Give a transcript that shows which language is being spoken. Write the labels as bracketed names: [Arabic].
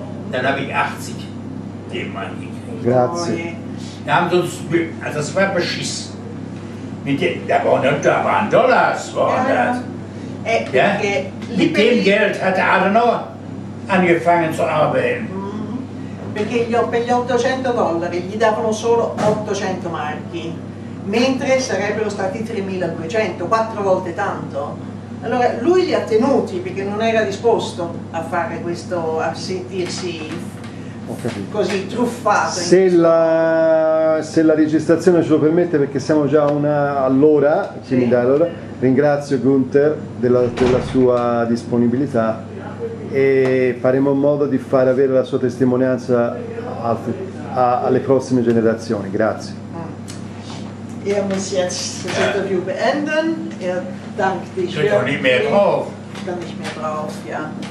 [German] Dann habe ich 80 D-Mark gekriegt. [Italian] Grazie. [German] Da haben sie uns, also das war beschiss. Da waren Dollars, waren das. Ja? Mit dem Geld hat der Adenauer angefangen zu arbeiten. [Italian] Perché per gli 800 dollari gli davano solo 800 marchi, mentre sarebbero stati 3.200, quattro volte tanto. Allora lui li ha tenuti perché non era disposto a fare questo, a sentirsi così truffato. Se la registrazione ce lo permette, perché siamo già all'ora, quindi sì. Allora, ringrazio Gunther della sua disponibilità. E faremo in modo di far avere la sua testimonianza alle prossime generazioni. Grazie. [German] Er muss jetzt das Interview beenden. Er dankt dich. Ich kann nicht mehr drauf. Ich kann nicht mehr drauf, ja.